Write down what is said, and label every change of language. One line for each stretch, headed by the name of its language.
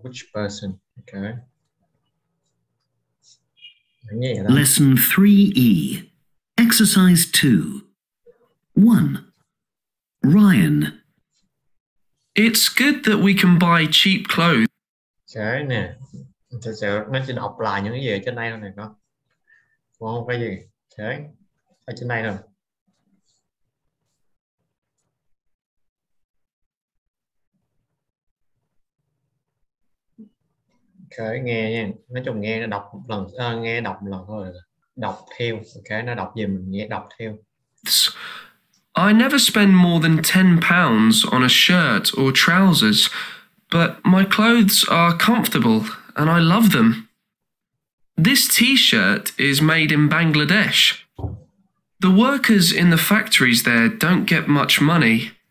English: Which person? Okay. Lesson 3E. Exercise 2. 1. Ryan. It's good that we can buy cheap clothes.
Vietnamese: Okay, nè. Thật sự nó sẽ đọc lại những cái gì ở trên đây này con. Có một cái gì thế ở trên đây rồi. Ok, nghe nha, nói chung nghe nó đọc một lần, nghe đọc một lần thôi, đọc theo. Ok, nó đọc gì mình nghe đọc theo.
English: I never spend more than £10 on a shirt or trousers, but my clothes are comfortable and I love them. This t-shirt is made in Bangladesh. The workers in the factories there don't get much money.